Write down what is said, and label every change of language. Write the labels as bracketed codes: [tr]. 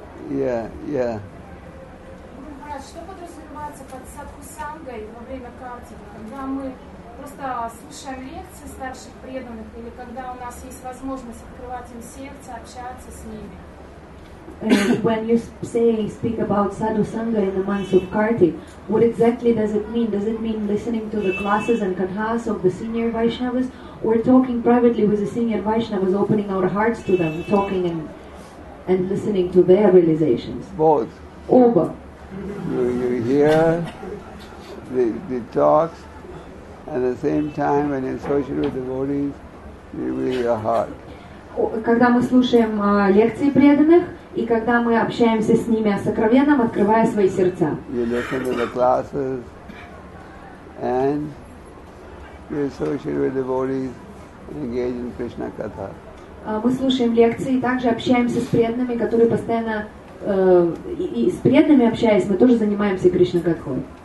[ru] Я, я. Гуру Махарадж, что подразумевается под садху-сангой во время картики, когда мы просто слушаем лекции старших преданных, или когда у нас есть возможность открывать им сердце, общаться с ними? [en] When you speak about sadhu sangha in the months of Kartik, what exactly does it mean? Does it mean listening to the classes and kathas of the senior Vaishnavas, or talking privately with the senior Vaishnavas, opening our hearts to them, talking and listening to their realizations? Both. Oba. You hear the talks, and at the same time, when you associate with devotees, you read your heart. [ru] Когда мы слушаем лекции преданных и когда мы общаемся с ними о сокровенном, открывая свои сердца. [en] You listen to the classes and you associate with devotees and engage in Krishna katha. [ru] Мы слушаем лекции и также общаемся с преданными, которые постоянно и с преданными общаясь, мы тоже занимаемся Кришна катхой.